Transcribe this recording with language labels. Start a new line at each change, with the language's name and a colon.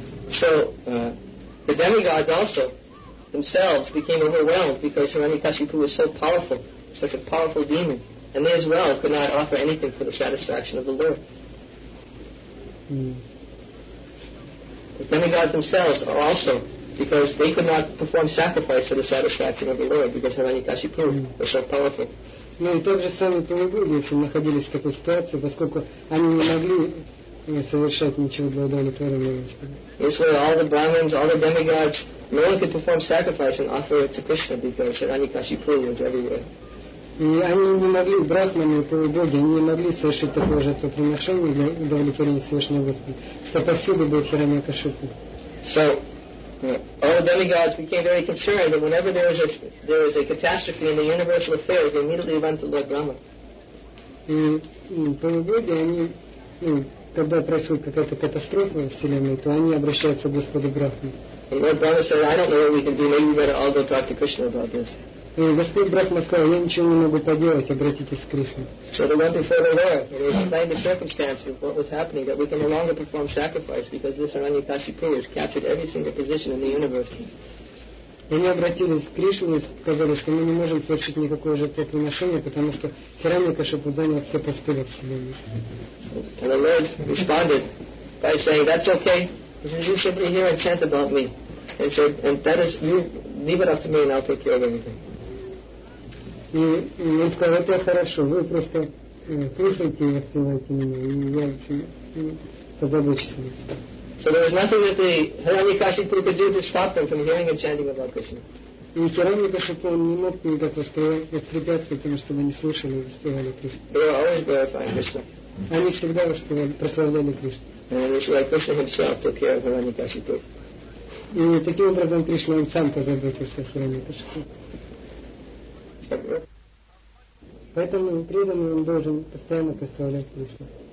English: So, the demigods also themselves became overwhelmed because Hirani Kashipu was so powerful, such a powerful demon, and they as well could not offer anything for the satisfaction of the Lord. The demigods themselves are also, because they could not perform sacrifice for the satisfaction of the Lord, because Hirani Kashipu was so powerful.
Russian: Ну и также сами полубоги, в общем, находились в такой ситуации, поскольку они не могли совершать ничего для удовлетворения Господа.
English: This way, all the brahmins, all the demigods, no one could perform sacrifice and offer it to Krishna because Hirani Kashipu was everywhere.
Russian: И они не могли, брахманы и полубоги, они не могли совершить такое жертвоприношение для удовлетворения Всевышнего Господа, что повсюду был Hirani Kashipu.
English: So, all the demigods became very concerned that whenever there was a catastrophe in the universal affairs, they immediately went to Lord Brahma.
Russian: И полубоги, они, когда происходит какая-то катастрофа в Вселенной, то они обращаются к Господу Брахме.
English: And Lord Brahma said, I don't know what we can do, maybe we better all go talk to Krishna about this.
Russian: И Господь Брахма сказал, я ничего не могу поделать, обратитесь к Кришне.
English: So they went before the Lord, and they explained the circumstances, what was happening, that we can no longer perform sacrifice, because this Hirani Kashipu has captured every single position in the universe.
Russian: Они обратились к Кришне и сказали, что мы не можем совершить никакого жертвоприношения, потому что Hirani Kashipu занял все посты во Вселенной.
English: And the Lord responded by saying, that's okay, because you simply hear and chant about me. And said, and that is, you leave it up to me and I'll take care of everything.
Russian: И он сказал, это хорошо, вы просто кушайте и оставайте меня, и я позабочусь о вас.
English: So there was nothing that the Hirani Kashipu could do to stop them from hearing and chanting about Krishna.
Russian: И Хирани Кашипу не мог никак воспрепятствовать тому, чтобы они слушали и воспевали Кришну.
English: They were always glorifying Krishna.
Russian: Они всегда воспевали, прославляли Кришну.
English: And it's like Krishna himself took care of Hirani Kashipu.
Russian: И таким образом Кришна он сам позаботился о Хирани Кашипу. Поэтому преданный он должен постоянно прославлять Кришну.